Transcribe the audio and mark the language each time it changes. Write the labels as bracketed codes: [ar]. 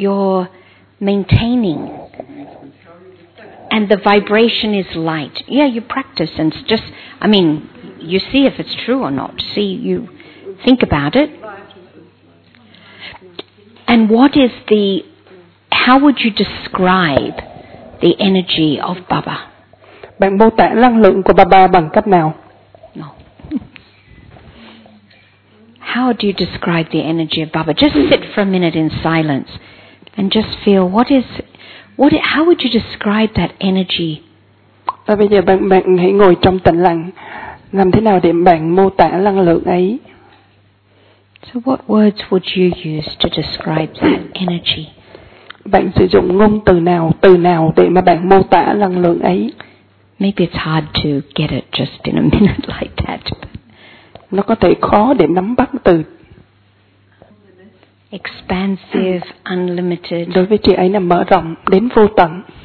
[en] You're maintaining. And the vibration is light. Yeah, you practice and it's just, I mean, you see if it's true or not. See, you think about it. And what is the, how would you describe the energy of Baba? [vi] Bạn mô tả năng lượng của Baba bằng cách nào? [en] No. How do you describe the energy of Baba? Just sit for a minute in silence and just feel what is, what, how would you describe that energy? [vi] Và bây giờ bạn hãy ngồi trong tĩnh lặng. Làm thế nào để bạn mô tả năng lượng ấy? [en] So what words would you use to describe that energy? [vi] Bạn sử dụng ngôn từ nào để mà bạn mô tả năng lượng ấy? [en] Maybe it's hard to get it just in a minute like that. [vi] Nó có thể khó để nắm bắt từ. [en] Expansive, unlimited. [vi] Đối với chị ấy là mở rộng đến vô tận.